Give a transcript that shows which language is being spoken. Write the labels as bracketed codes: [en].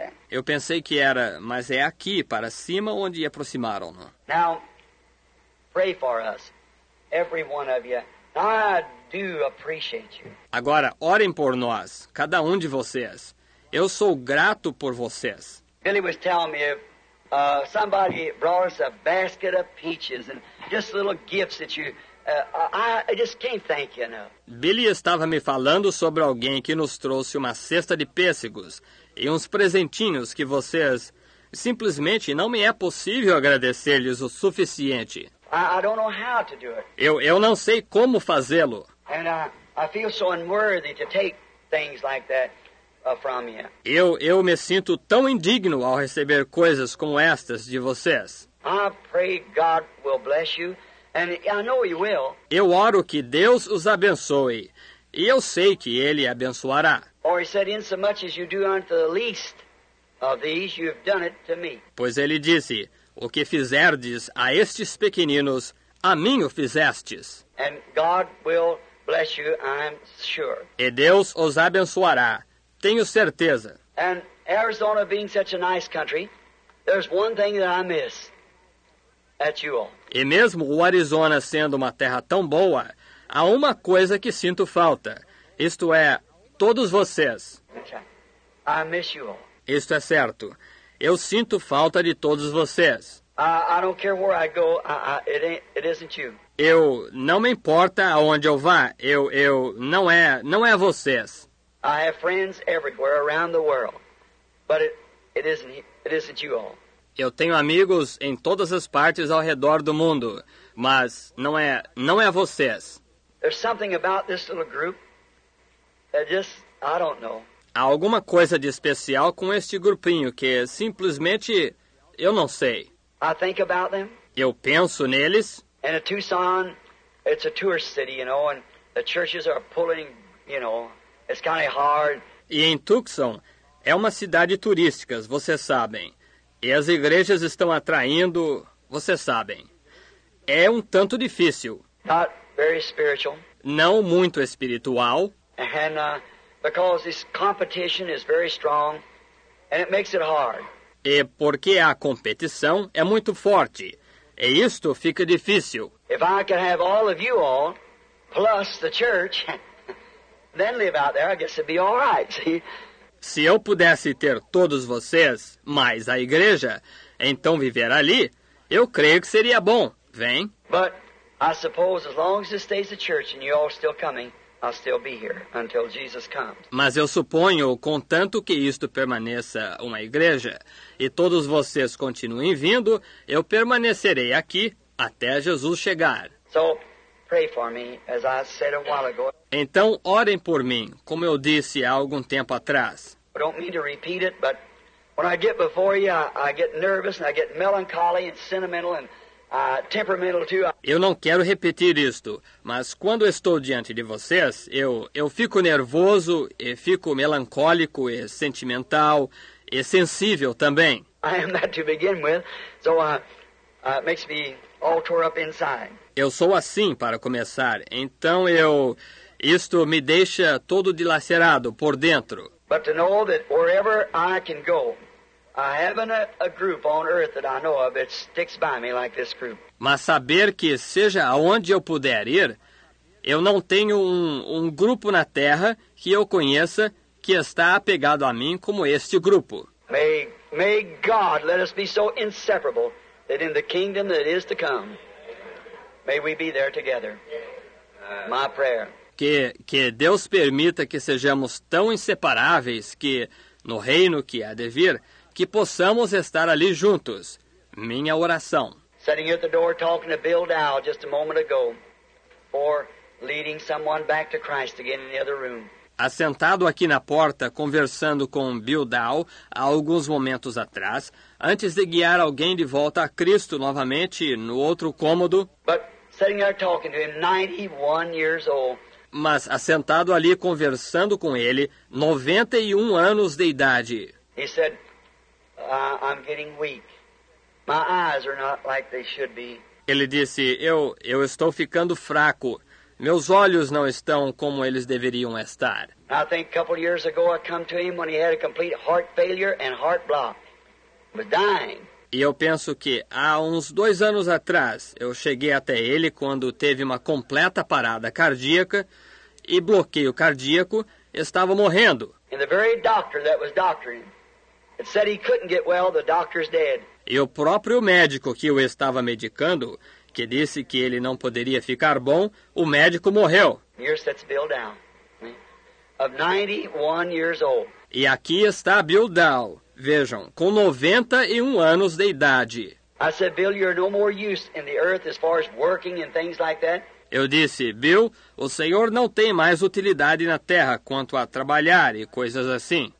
[pt] Eu pensei que era, mas é aqui, para cima, onde aproximaram-no. [en] Now, pray for us, every one of you. I do appreciate you. [pt] Agora, orem por nós, cada um de vocês. Eu sou grato por vocês. [en] Billy was telling me if somebody brought us a basket of peaches and just little gifts that you. I just can't thank you enough. [pt] Billy estava me falando sobre alguém que nos trouxe uma cesta de pêssegos e uns presentinhos que vocês. Simplesmente não me é possível agradecer-lhes o suficiente. [en] I don't know how to do it. [pt] Eu não sei como fazê-lo. [en] And I feel so unworthy to take things like that from you. [pt] Eu me sinto tão indigno ao receber coisas como estas de vocês. [en] I pray God will bless you, and I know He will. [pt] Eu oro que Deus os abençoe, e eu sei que Ele abençoará. [en] Or He said, in so much as you do unto the least of these, you have done it to me. [pt] Pois Ele disse, o que fizerdes a estes pequeninos, a mim o fizestes. [en] And God will bless you, I'm sure. [pt] E Deus os abençoará, tenho certeza. [en] And Arizona being such a nice country, there's one thing that I miss. That's you all. [pt] E mesmo o Arizona sendo uma terra tão boa, há uma coisa que sinto falta. Isto é, todos vocês. [en] I miss you all. [pt] Isto é certo. Eu sinto falta de todos vocês. [en] I don't care where I go. It isn't you. [pt] Eu não me importa aonde eu vá. Não é vocês. [en] I have friends everywhere around the world. But it isn't you all. [pt] Eu tenho amigos em todas as partes ao redor do mundo, mas não é vocês. [en] There's something about this little group that just, I don't know. [pt] Há alguma coisa de especial com este grupinho que simplesmente eu não sei. [en] I think about them. [pt] Eu penso neles. [en] And in Tucson, it's a tourist city, you know, and the churches are pulling, you know, it's kind of hard. [pt] E em Tucson é uma cidade turística, vocês sabem. E as igrejas estão atraindo, vocês sabem. É um tanto difícil. [en] Not very spiritual. [pt] Não muito espiritual. [en] And, because this competition is very strong, and it makes it hard. [pt] E porque a competição é muito forte. E isto fica difícil. [en] If I could have all of you all, plus the church, then live out there, I guess it'd be all right, see? [pt] Se eu pudesse ter todos vocês, mais a igreja, então viver ali, eu creio que seria bom. Vem. [en] But I suppose as long as it stays the church and you all still coming, I'll still be here until Jesus comes. [pt] Mas eu suponho, contanto que isto permaneça uma igreja, e todos vocês continuem vindo, eu permanecerei aqui até Jesus chegar. [en] So, pray for me, as I said a while ago. [pt] Então, orem por mim, como eu disse há algum tempo atrás. [en] I don't mean to repeat it, but when I get before you, I get nervous, and I get melancholy and sentimental and temperamental too. [pt] Eu não quero repetir isto, mas quando estou diante de vocês, eu fico nervoso e fico melancólico e sentimental e sensível também. [en] I am that to begin with, so it makes me all tore up inside. [pt] Eu sou assim para começar, então isto me deixa todo dilacerado por dentro. [en] But to know that wherever I can go, I haven't a group on earth that I know of that sticks by me like this group. [pt] Mas saber que seja aonde eu puder ir, eu não tenho um grupo na terra que eu conheça que está apegado a mim como este grupo. [en] May God let us be so inseparable that in the kingdom that is to come, may we be there together. My prayer. [pt] Que Deus permita que sejamos tão inseparáveis que no reino que há de vir, que possamos estar ali juntos. Minha oração. [en] Sitting at the door talking to Bill Dow just a moment ago for leading someone back to Christ again in the other room. [pt] Assentado aqui na porta conversando com Bill Dow há alguns momentos atrás, antes de guiar alguém de volta a Cristo novamente no outro cômodo. [en] But sitting there talking to him, 91 years old. [pt] Mas assentado ali conversando com ele, 91 anos de idade. [en] He said, I'm getting weak. My eyes are not like they should be. [pt] Ele disse, eu estou ficando fraco. Meus olhos não estão como eles deveriam estar. [en] I think a couple of years ago I come to him when he had a complete heart failure and heart block. Was dying. [pt] E eu penso que há uns 2 anos atrás eu cheguei até ele quando teve uma completa parada cardíaca e bloqueio cardíaco, estava morrendo. [en] And the very doctor that was doctoring. It said he couldn't get well, the doctor's dead. [pt] E o próprio médico que o estava medicando, que disse que ele não poderia ficar bom, o médico morreu. [en] Here sits Bill Dow, of 91 years old. [pt] E aqui está Bill Dow, vejam, com 91 anos de idade. [en] I said, Bill, you're no more use in the earth as far as working and things like that. [pt] Eu disse, Bill, o senhor não tem mais utilidade na terra quanto a trabalhar e coisas assim.